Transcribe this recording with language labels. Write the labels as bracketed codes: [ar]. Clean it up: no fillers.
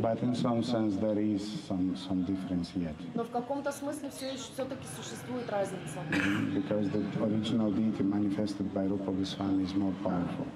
[en] But in some sense there is some difference yet. [ru] Но в каком-то смысле все-таки существует разница. [en] Because the original deity manifested by Rupa Goswami is more powerful.